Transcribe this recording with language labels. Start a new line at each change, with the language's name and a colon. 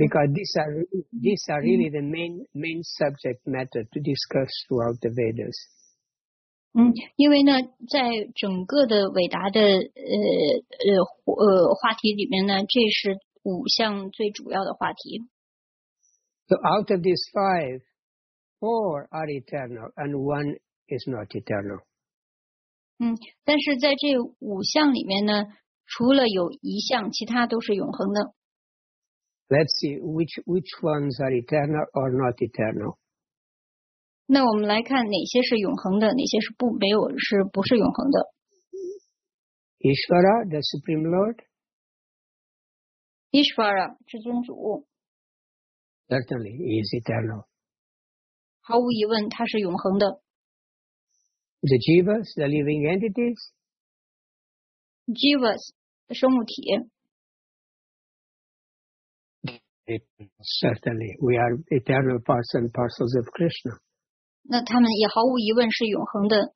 English: Because these are really the main subject matter to discuss throughout the Vedas.
Chinese: 因为呢，在整个的伟达的话题里面呢，这是五项最主要的话题。
English: So out of these five, four are eternal, and one is not eternal.
Chinese: 但是在这五项里面呢。除了有一项，其他都是永恒的。
English: Let's see which ones are eternal or not eternal.
Chinese: 那我们来看哪些是永恒的，哪些是不没有是不是永恒的。
English: Ishvara, the Supreme Lord.
Chinese: Ishvara, 至尊主。
English: Certainly, he is eternal.
Chinese: 毫无疑问，他是永恒的。
English: The Jivas, the living entities.
Chinese: Jivas. 生物体
English: Certainly, we are eternal parts and parcels of Krishna.
Chinese: 那他们也毫无疑问是永恒的。